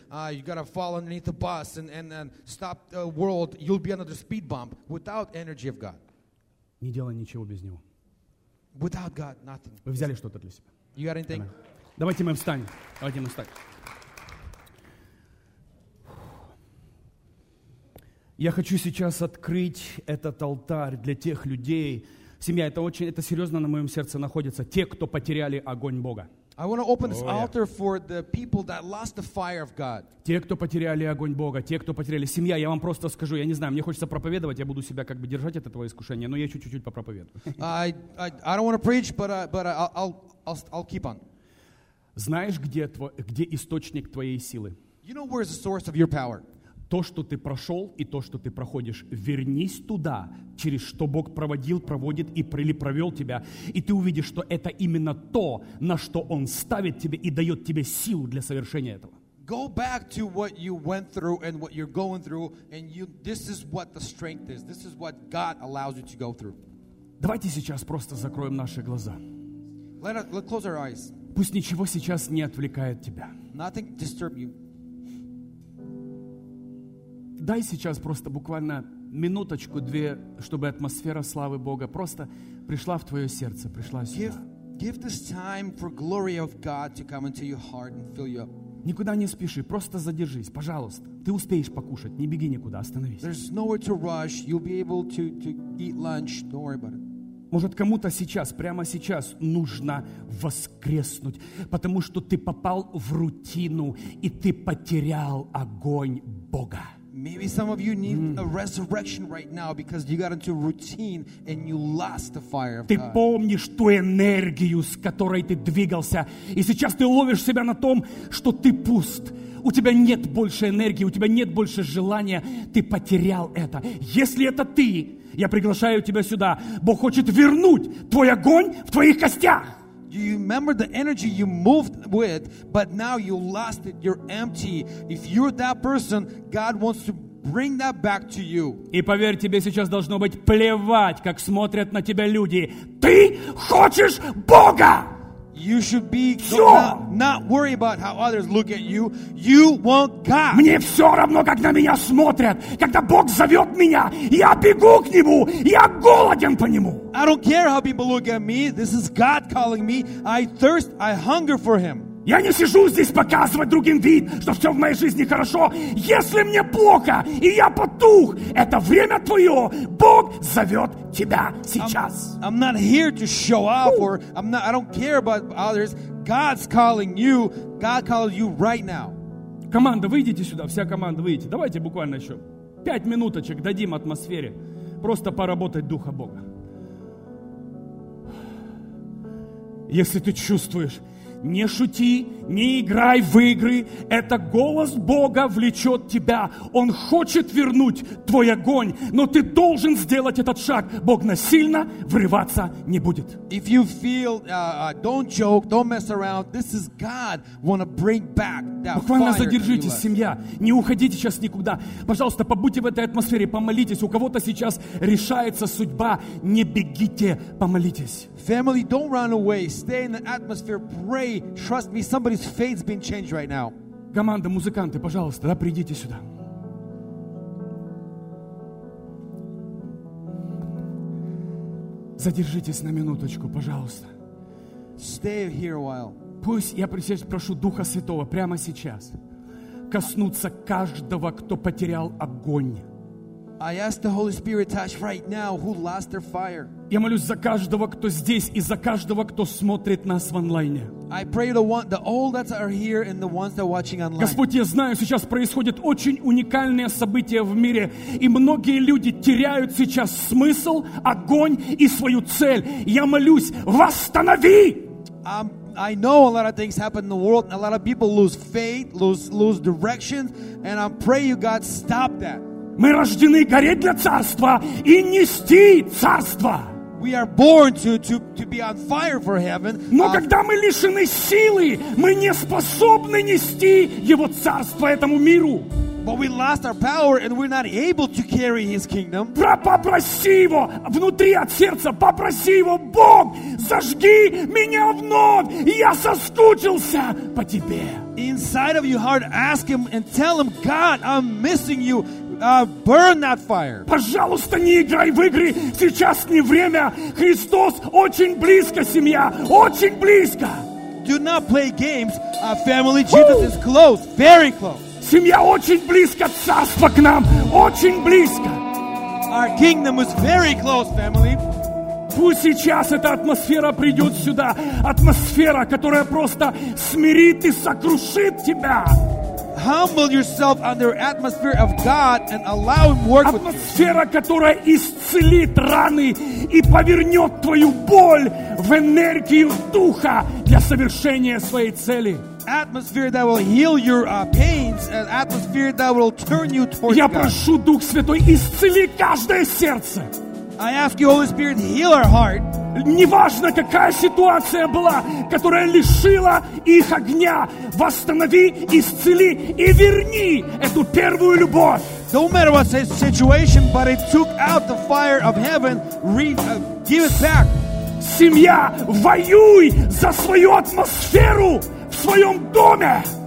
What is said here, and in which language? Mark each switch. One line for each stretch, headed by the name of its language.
English: You gotta fall underneath the bus and stop the world. You'll be under the speed bump without energy of God.
Russian: Не делай ничего без него.
English: Without God, nothing.
Russian: Вы взяли что-то для себя?
English: You got anything? Amen.
Russian: Давайте мы встанем. Давайте мы встанем. Я хочу сейчас открыть этот алтарь для тех людей. Семья, это серьезно на моем сердце находится. Те, кто потеряли огонь Бога.
English: I want to open this altar for the people that lost the fire of God.
Russian: Те, кто потеряли огонь Бога, те, кто потеряли. Семья, я вам просто скажу, я не знаю, мне хочется проповедовать, я буду себя как бы держать от этого искушения, но я чуть-чуть попроповедую.
English: I don't want to preach, but I'll keep on.
Russian: Знаешь, где источник твоей силы?
English: You know where is the source of your power?
Russian: То, что ты прошел и то, что ты проходишь, вернись туда, через что Бог проводил, проводит и провел тебя, и ты увидишь, что это именно то, на что Он ставит тебе и дает тебе силу для совершения этого.
English: Go back to what you went through and what you're going through, and this is what the strength is. This is what God allows you to go through.
Russian: Давайте сейчас просто закроем наши глаза.
English: Let's close our eyes.
Russian: Пусть ничего сейчас не отвлекает тебя.
English: Nothing disturb you.
Russian: Дай сейчас просто буквально минуточку-две, чтобы атмосфера славы Бога просто пришла в твое сердце, пришла сюда.
English: Give this time for glory of God to come into your heart and fill you up.
Russian: Никуда не спеши, просто задержись, пожалуйста. Ты успеешь покушать, не беги никуда, остановись.
English: There's nowhere to rush. You'll be able to eat lunch. Don't worry about it.
Russian: Может, кому-то сейчас, прямо сейчас нужно воскреснуть, потому что ты попал в рутину и ты потерял огонь Бога.
English: Maybe some of you need a resurrection right now because you got into routine and you lost the fire of God.
Russian: Ты помнишь ту энергию, с которой ты двигался, и сейчас ты ловишь себя на том, что ты пуст. У тебя нет больше энергии, у тебя нет больше желания, ты потерял это. Если это ты, я приглашаю тебя сюда. Бог хочет вернуть твой огонь в твоих костях.
English: Do you remember the energy you moved with, but now you lost it, you're empty? If you're that person, God wants to bring that back to you.
Russian: И поверь, тебе сейчас должно быть плевать, как смотрят на тебя люди. Ты хочешь Бога!
English: You should be not worry about how others look at you. You want God.
Russian: Мне все равно, как на меня смотрят. Когда Бог зовет меня, я бегу к Нему. Я голоден по Нему.
English: I don't care how people look at me. This is God calling me. I thirst, I hunger for Him.
Russian: Я не сижу здесь показывать другим вид, что все в моей жизни хорошо. Если мне плохо, и я потух, это время твое. Бог зовет тебя сейчас.
English: I'm not here to show off, or I don't care about others. God's calling you. God calls you right now.
Russian: Команда, выйдите сюда, вся команда, выйдите. Давайте буквально еще 5 минуточек дадим атмосфере. Просто поработать Духа Бога. Если ты чувствуешь Не шути, не играй в игры. Это голос Бога влечет тебя. Он хочет вернуть твой огонь, но ты должен сделать этот шаг. Бог насильно врываться не будет.
English: If you feel, don't joke, don't mess around. This is God wanna bring back that fire.
Russian: Буквально задержитесь, семья. Не уходите сейчас никуда. Пожалуйста, побудьте в этой атмосфере, помолитесь. У кого-то сейчас решается судьба. Не бегите, помолитесь.
English: Family, don't run away. Stay in the atmosphere. Pray. Trust me, somebody's fate's been changed right now.
Russian: Команда, музыканты, пожалуйста, да, придите сюда. Задержитесь на минуточку, пожалуйста.
English: Stay here a while.
Russian: Пусть я прошу Духа Святого прямо сейчас коснуться каждого, кто потерял огонь.
English: I ask the Holy Spirit touch right now who lost their fire.
Russian: Я молюсь за каждого, кто здесь, и за каждого, кто смотрит нас в онлайне.
English: I pray the all that are here and the ones that are watching online.
Russian: Господь, я знаю, сейчас происходит очень уникальное событие в мире, и многие люди теряют сейчас смысл, огонь и свою цель. Я молюсь, восстанови!
English: I know a lot of things happen in the world, a lot of people lose faith, lose direction, and I pray you, God, stop that.
Russian: Мы рождены гореть для царства и нести царство.
English: We are born to be on fire for heaven.
Russian: Но когда мы лишены силы, мы не способны нести его царство этому миру.
English: But we lost our power and we're not able to carry his kingdom.
Russian: Попроси его внутри от сердца, попроси его, Бог, зажги меня вновь, я соскучился по тебе.
English: Inside of your heart, ask him and tell him, God, I'm missing you. Burn that fire.
Russian: Пожалуйста, не играй в игры. Сейчас не время. Христос очень близко, семья. Очень близко.
English: Do not play games. Family, Jesus is close. Very close.
Russian: Семья очень близко. Царство к нам. Очень близко.
English: Our kingdom is very close, family.
Russian: Пусть сейчас эта атмосфера придет сюда. Атмосфера, которая просто смирит и сокрушит тебя.
English: Humble yourself under atmosphere of God and allow him work with you.
Russian: Атмосфера, которая исцелит раны и повернет твою боль в энергию духа для совершения своей цели.
English: Atmosphere that will heal your pains and atmosphere that will turn you towards
Russian: God. Я прошу, Дух Святой, исцели каждое сердце.
English: I ask you, Holy Spirit, heal our heart.
Russian: Неважно, какая ситуация была, которая лишила их огня. Восстанови, исцели и верни эту первую любовь.
English: Don't matter what situation, but it took out the fire of heaven. Give it back.
Russian: Семья, воюй за свою атмосферу в своем доме.